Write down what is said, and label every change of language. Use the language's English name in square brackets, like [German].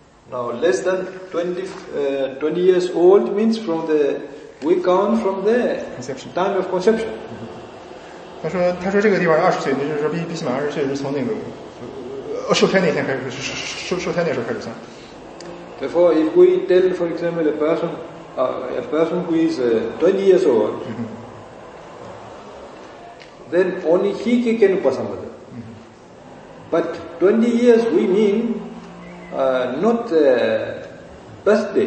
[English] Now less than 20 years old means from the we count from the conception. Time of conception. Mm-hmm. [Chinese] 他说这个地方二十岁，那就是说必须满二十岁是从那个受胎那天开始，受胎那时候开始算。 [English] Therefore, if we tell, for example, a person who is 20 years old, then only he can upasambhata. But 20 years we mean. Not the birthday,